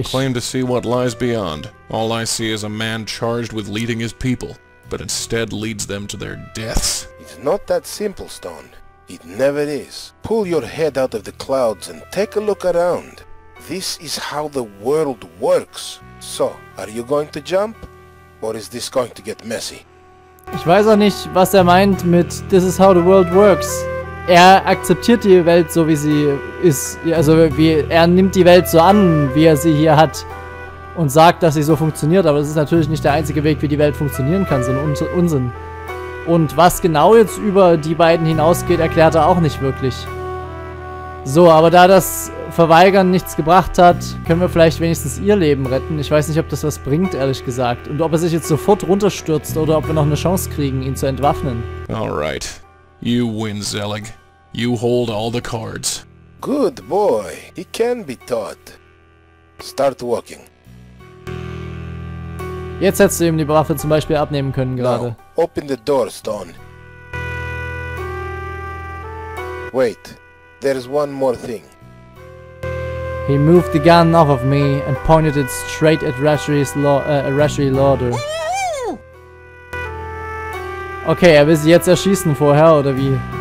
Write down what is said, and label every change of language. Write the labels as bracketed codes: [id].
[en] I don't claim to see what lies beyond. All I see is a man charged with leading his people, but instead leads them to their deaths. It's not that simple, Stone. It never is. Pull your head out of the clouds and take a look around. This is how the world works. So, are you going to jump, or is this going to get messy? [de] Ich weiß auch nicht, was er meint mit [en] This is how the world works. [de] Er akzeptiert die Welt so, wie sie ist. Also, er nimmt die Welt so an, wie er sie hier hat. Und sagt, dass sie so funktioniert. Aber das ist natürlich nicht der einzige Weg, wie die Welt funktionieren kann. So ein Unsinn. Und was genau jetzt über die beiden hinausgeht, erklärt er auch nicht wirklich. So, aber da das Verweigern nichts gebracht hat, können wir vielleicht wenigstens ihr Leben retten. Ich weiß nicht, ob das was bringt, ehrlich gesagt. Und ob er sich jetzt sofort runterstürzt oder ob wir noch eine Chance kriegen, ihn zu entwaffnen. [en] Alright. You win, Zelig. You hold all the cards. Good boy. He can be taught. Start walking. [de] Jetzt hättest du ihm die Waffe zum Beispiel abnehmen können gerade. [en] Now, open the door, Stone. Wait. There's one more thing. He moved the gun off of me and pointed it straight at Rashri Lauder. [de] Okay, er will sie jetzt erschießen vorher, oder wie?